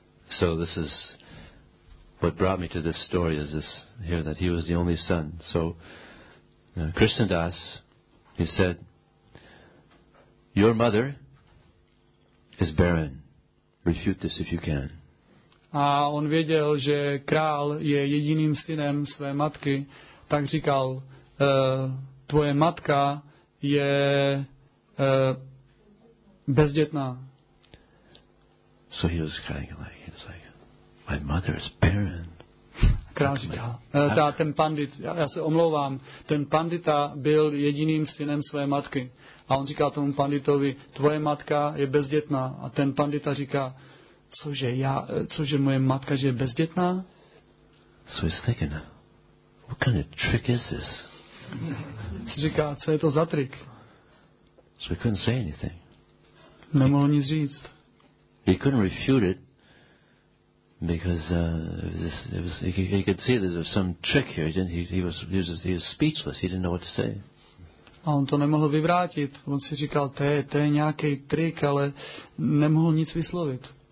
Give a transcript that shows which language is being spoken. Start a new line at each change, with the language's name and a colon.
English: So this is what brought me to this story is this here that he was the only son. So Krishna Das, he said, your mother is barren. Refute this if you can.
Czech: A on věděl, že král je jediným synem své matky, tak říkal, tvoje matka je bezdětná.
English: So he was crying like, he was like, my mother is barren.
Czech: Král říkal, ten pandit, já se omlouvám, ten pandita byl jediným synem své matky. A on říká tomu panditovi, tvoje matka je bezdětná. A ten pandita říká, cože moje matka, že je bezdětná?
English: So he's thinking, what kind of trick is this?
Czech: Říká, co je to za trik?
English: So he couldn't say anything.
Czech: Nemohl nic říct.
English: He couldn't refute it. Because he could see that there was some trick here. He was speechless. He didn't know what to say.
Czech: A on to nemohl vyvrátit. On si říkal, to je nějaký trik, ale nemohl nic vyslovit.